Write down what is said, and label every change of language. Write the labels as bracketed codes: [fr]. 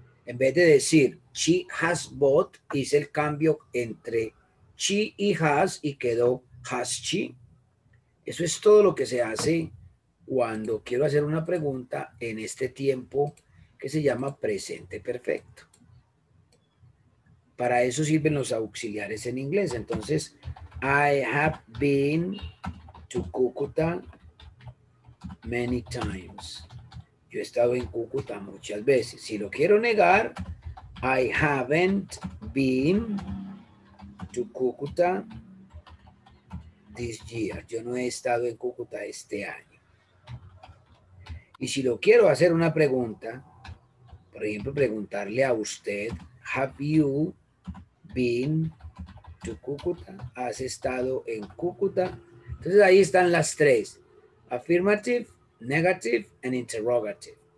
[es] En vez de decir [en] she has bought, [es] hice el cambio entre she y has y quedó [en] has she. [es] Eso es todo lo que se hace cuando quiero hacer una pregunta en este tiempo que se llama presente perfecto. Para eso sirven los auxiliares en inglés. [en] Entonces, I have been to Cúcuta many times. [es] Yo he estado en Cúcuta muchas veces. Si lo quiero negar, [en] I haven't been to Cúcuta this year. [es] Yo no he estado en Cúcuta este año. Y si lo quiero hacer una pregunta, por ejemplo, preguntarle a usted, [en] have you been to Cúcuta? [es] ¿Has estado en Cúcuta? Entonces ahí están las tres: [en] affirmative, negative and interrogative.